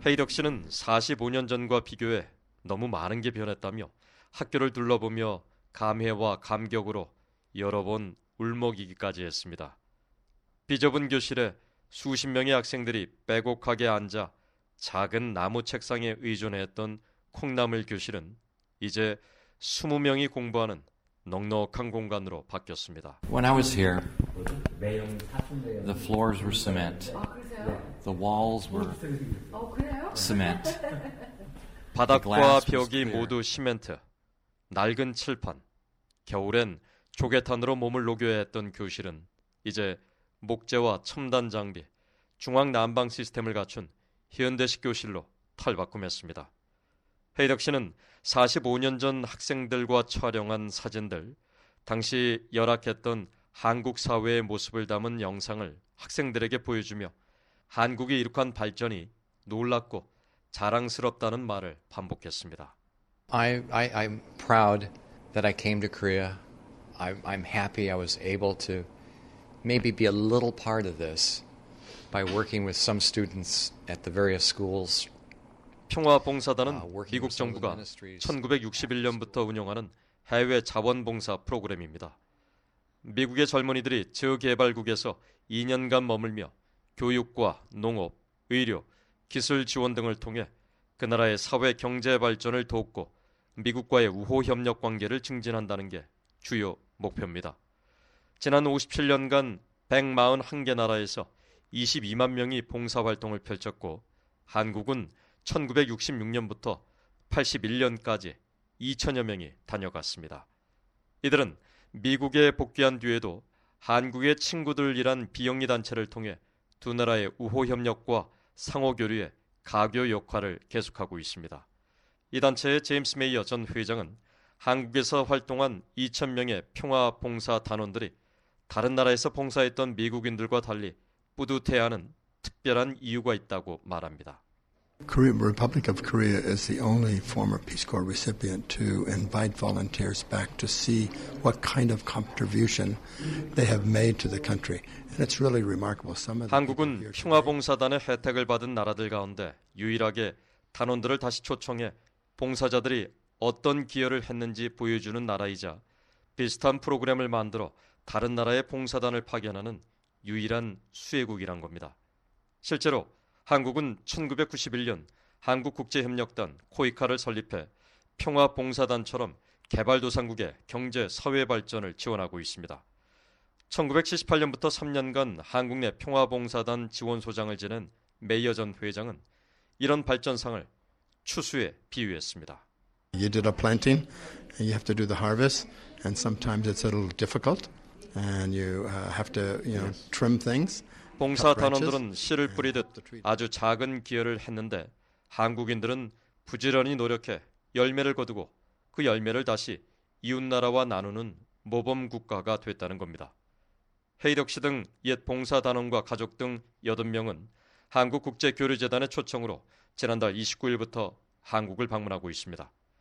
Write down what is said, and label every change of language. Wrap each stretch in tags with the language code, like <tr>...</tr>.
<ko>헤이덕 씨는 45년 전과 비교해 너무 많은 게 변했다며 학교를 둘러보며 감회와 감격으로 여러 번 울먹이기까지 했습니다. 비좁은 교실에 수십 명의 학생들이 빼곡하게 앉아 작은 나무 책상에 의존했던 콩나물 교실은 이제 20명이 공부하는 넉넉한 공간으로 바뀌었습니다.</ko> <en>When I was here, the floors were cement. The walls were cement.</en> <ko>바닥과 벽이 모두 시멘트. 낡은 칠판. 겨울엔 조개탄으로 몸을 녹여야 했던 교실은 이제 목재와 첨단 장비, 중앙 난방 시스템을 갖춘 현대식 교실로 탈바꿈했습니다. 헤이덕 씨는 45년 전 학생들과 촬영한 사진들, 당시 열악했던 한국 사회의 모습을 담은 영상을 학생들에게 보여주며 한국이 이룩한 발전이 놀랍고 자랑스럽다는 말을 반복했습니다.</ko> <en>I'm proud that I came to Korea. I'm happy I was able to maybe be a little part of this by working with some students at the various schools.</en> <ko>평화봉사단은 미국 정부가 1961년부터 운영하는 해외 자원봉사 프로그램입니다. 미국의 젊은이들이 저개발국에서 2년간 머물며 교육과 농업, 의료, 기술 지원 등을 통해 그 나라의 사회 경제 발전을 돕고 미국과의 우호 협력 관계를 증진한다는 게 주요 목표입니다. 지난 57년간 141개 나라에서 22만 명이 봉사활동을 펼쳤고 한국은 1966년부터 81년까지 2천여 명이 다녀갔습니다. 이들은 미국에 복귀한 뒤에도 한국의 친구들이란 비영리 단체를 통해 두 나라의 우호협력과 상호교류에 가교 역할을 계속하고 있습니다. 이 단체의 제임스 메이어 전 회장은 한국에서 활동한 2천 명의 평화봉사단원들이 다른 나라에서 봉사했던 미국인들과 달리 뿌듯해하는 특별한 이유가 있다고 말합니다.</ko> <en>Korean Republic of Korea is the only former Peace Corps recipient to invite volunteers back to see what kind of contribution they have made to the country. And it's really remarkable. Some of the</en> <ko>한국은 평화봉사단의 혜택을 받은 나라들 가운데 유일하게 단원들을 다시 초청해 봉사자들이 어떤 기여를 했는지 보여주는 나라이자 비슷한 프로그램을 만들어 다른 나라의 봉사단을 파견하는 유일한 수혜국이란 겁니다. 실제로 한국은 1991년 한국국제협력단 코이카를 설립해 평화봉사단처럼 개발도상국의 경제, 사회 발전을 지원하고 있습니다. 1978년부터 3년간 한국 내 평화봉사단 지원소장을 지낸 메이어 전 회장은 이런 발전상을 추수에 비유했습니다.</ko> <en>You did a planting, and you have to do the harvest, and sometimes it's a little difficult, and you have to, you know, trim things.</en> <ko>봉사 단원들은 씨를 뿌리듯 아주 작은 기여를 했는데 한국인들은 부지런히 노력해 열매를 거두고 그 열매를 다시 이웃나라와 나누는 모범 국가가 됐다는 겁니다. 헤이덕 씨 등 옛 봉사 단원과 가족 등 8명은 한국국제교류재단의 초청으로 지난달 29일부터 한국을 방문하고 있습니다.</ko>